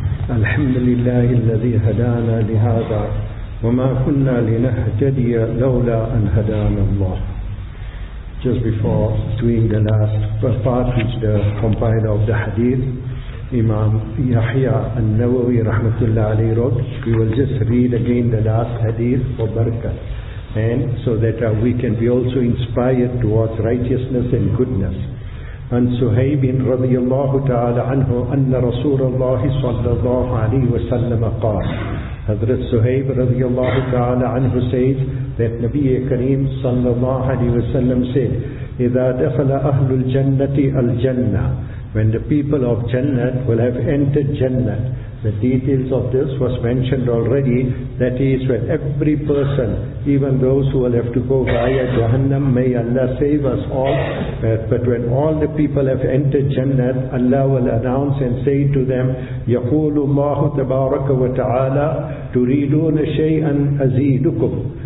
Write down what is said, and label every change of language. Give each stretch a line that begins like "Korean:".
Arabic: الحمد لله الذي هدانا لهذا وما كنا لنهتدي لولا أن هدانا الله.
English: Just before doing the last part, which the compiler of the hadith, Imam Yahya al-Nawawi rahmatullah alayhi wrote, we will just read again the last hadith for barakah, and so that we can be also inspired towards righteousness and goodness.
Arabic: عن سهيب رضي الله تعالى عنه أن رسول الله صلى الله عليه وسلم قال. حضرت سهيب رضي الله تعالى عنه
English: says that
Arabic: نبي كريم صلى الله عليه وسلم
English: said,
Arabic: إذا دخل أهل الجنة الجنة,
English: when the people of Jannah will have entered Jannah. The details of this was mentioned already, that is when every person, even those who will have to go via Jahannam, may Allah save us all, but when all the people have entered Jannah, Allah will announce and say to them,
Arabic: يَقُولُ اللَّهُ تَبَارَكَ وَتَعَالَى تُرِيدُونَ شَيْئًا أَزِيدُكُمْ.